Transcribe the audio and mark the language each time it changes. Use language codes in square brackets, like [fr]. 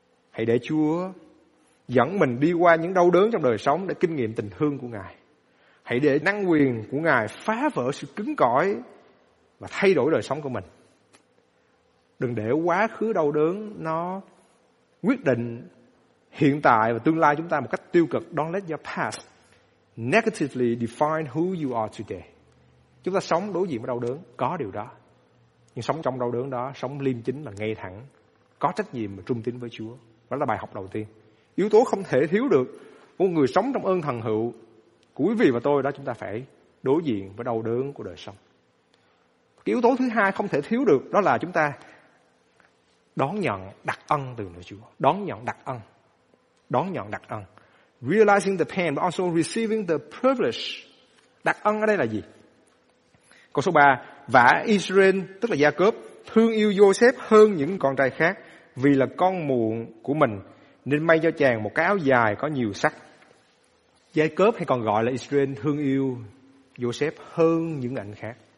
[vi] Hãy để Chúa dẫn mình đi qua những đau đớn trong đời sống để kinh nghiệm tình thương của Ngài. Hãy để năng quyền của Ngài phá vỡ sự cứng cỏi và thay đổi đời sống của mình. Đừng để quá khứ đau đớn nó quyết định hiện tại và tương lai chúng ta một cách tiêu cực. [en] Don't let your past negatively define who you are today. [vi] Chúng ta sống đối diện với đau đớn, có điều đó. Nhưng sống trong đau đớn đó, sống liêm chính và ngay thẳng, có trách nhiệm và trung tín với Chúa. Đó là bài học đầu tiên. Yếu tố không thể thiếu được của người sống trong ơn thần hữu của quý vị và tôi đó, chúng ta phải đối diện với đau đớn của đời sống. Cái yếu tố thứ hai không thể thiếu được đó là chúng ta đón nhận đặc ân từ nơi Chúa. Đón nhận đặc ân. Đón nhận đặc ân. [en] Realizing the pain but also receiving the privilege. [vi] Đặc ân ở đây là gì? Câu số 3. Vả Israel, tức là Gia-cốp, thương yêu Joseph hơn những con trai khác vì là con muộn của mình, nên may cho chàng một cái áo dài có nhiều sắc. Gia-cốp hay còn gọi là Israel thương yêu Joseph hơn những anh khác.